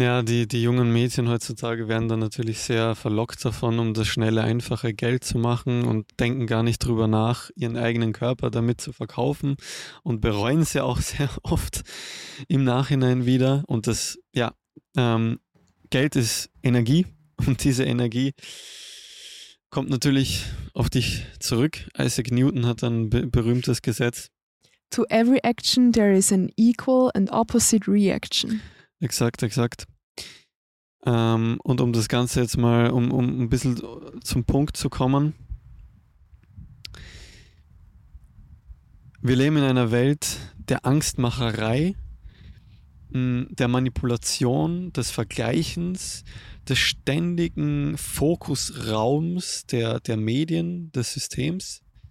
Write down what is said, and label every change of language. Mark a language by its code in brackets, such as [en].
[de] Ja, die jungen Mädchen heutzutage werden dann natürlich sehr verlockt davon, um das schnelle, einfache Geld zu machen und denken gar nicht drüber nach, ihren eigenen Körper damit zu verkaufen und bereuen es ja auch sehr oft im Nachhinein wieder. Und das, ja, Geld ist Energie und diese Energie kommt natürlich auf dich zurück. Isaac Newton hat ein berühmtes Gesetz. [en] To every action there is an equal and opposite reaction. [de] Exakt, exakt. Und um das Ganze jetzt mal, um ein bisschen zum Punkt zu kommen. Wir leben in einer Welt der Angstmacherei, der Manipulation, des Vergleichens, des ständigen Fokusraums der Medien, des Systems.